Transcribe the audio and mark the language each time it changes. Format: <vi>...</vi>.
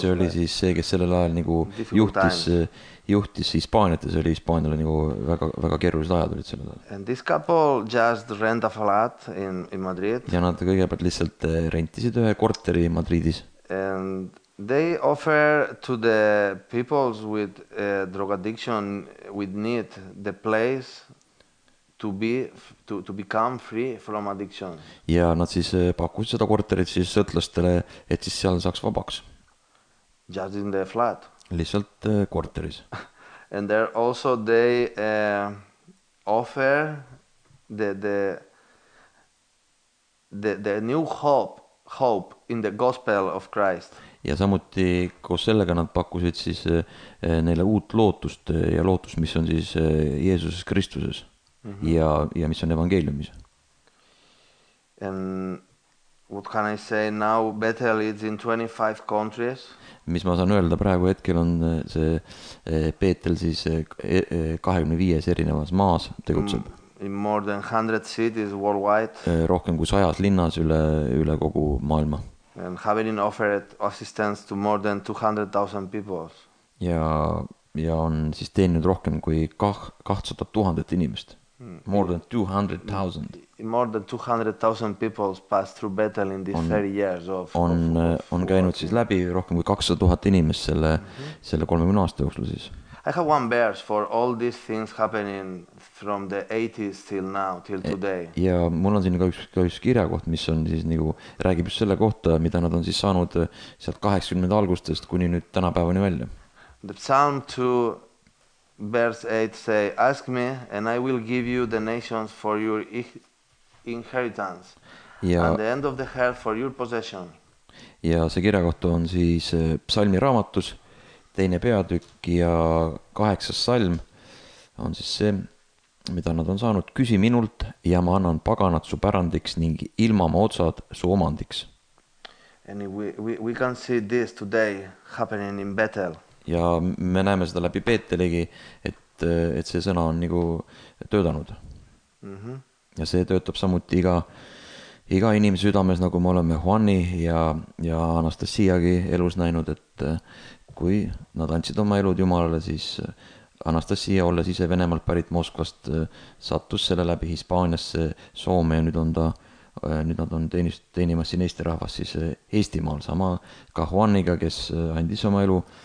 <et>See oli siis see, kes sellel ajal nagu juhtis Hispaaniat, see oli Hispaaniale nagu väga väga keerulised ajad olid sellel ajal.</et> <en>And this couple just rent a flat in Madrid.</en> <et>Ja nad kõigepealt lihtsalt rentisid ühe korteri Madridis.</et> <en>And they offer to the peoples with drug addiction with need the place to become free from addiction.</en> <et>Ja nad siis pakkusid seda korterit siis sõtlastele, et siis seal saaks vabaks.</et> <en>Just in the flat.</en> <et>Lihtsalt korteris.</et> <en>And there also they offer the new hope in the gospel of Christ.</en> <et>Ja samuti koos sellega nad pakkusid siis neile uut lootust ja lootus, mis on siis Jeesuses Kristuses. Mm-hmm. Ja mis on evangeeliumis.</et> <en>And what can I say now? Bethel is in 25 countries.</en> <et>Mis ma saan öelda praegu hetkel on see Bethel siis 25 erinevas maas tegutseb.</et> <en>In more than 100 cities worldwide.</en> <et>Rohkem kui 100 linnas üle kogu maailma.</et> <en>And having offered assistance to more than 200,000 people.</en> <et>Ja on siis teeninud rohkem kui 200,000 inimest.</et> <en>More than 200,000 people passed through Bethel in these 30 years of</en> <et>on käinud siis läbi rohkem kui 200,000 inimest selle 30 aasta jooksul siis.</et> <en>I have one bears for all these things happening from the 80s till now till today.</en> <et>Ja mul on siin ka üks kirjakoht, mis on siis nagu räägib just selle kohta, mida nad on siis saanud sealt 80 algustest kuni nüüd tänapäevani välja.</et> <en>The Psalm 2 Verse 8 say, ask me and I will give you the nations for your inheritance ja, and the end of the earth for your possession.</en> <et>Ja see kirjakoht on siis psalmi raamatus, teine peatükk ja kaheksas salm on siis see, mida nad on saanud. Küsi minult ja ma annan paganat su pärandiks ning ilmama otsad su omandiks.</et> <en>And we can see this today happening in Bethel.</en> <et>Ja me näeme seda läbi Peetelegi, et see sõna on nagu töötanud. Mm-hmm. Ja see töötab samuti iga inimese südames, nagu me oleme Juani ja Anastasiagi elus näinud, et kui nad andsid oma elud Jumalale, siis Anastasia olles ise Venemalt pärit Moskvast sattus selle läbi Hispaaniasse Soome ja nüüd nad on teenimas siin Eesti rahvas siis Eestimaal sama ka Juaniga, kes andis oma elu</et>